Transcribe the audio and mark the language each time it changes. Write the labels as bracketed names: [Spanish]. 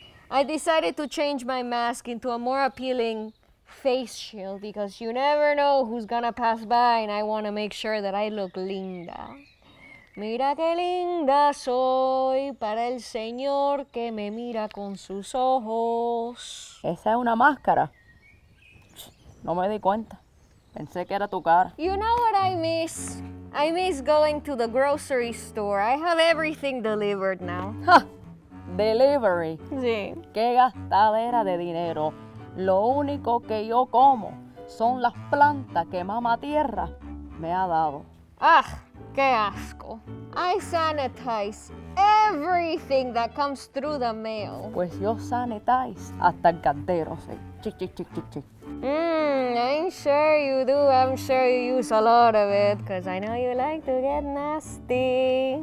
[English] I decided to change my mask into a more appealing face shield because you never know who's gonna pass by and I wanna make sure that I look linda. [Spanish] Mira que linda soy para el señor que me mira con sus ojos. Esa es una máscara. No me di cuenta. Pensé que era tu cara. [English] You know what I miss? I miss going to the grocery store. I have everything delivered now. Delivery. [Spanish] Sí. Qué gastadera de dinero. Lo único que yo como son las plantas que mamá tierra me ha dado. Ah. Qué asco. [English] I sanitize everything that comes through the mail. [Spanish] Pues yo sanitize hasta el cantero, sí. Chic, chic, chic, chic, chic. [English] I'm sure you do. I'm sure you use a lot of it because I know you like to get nasty.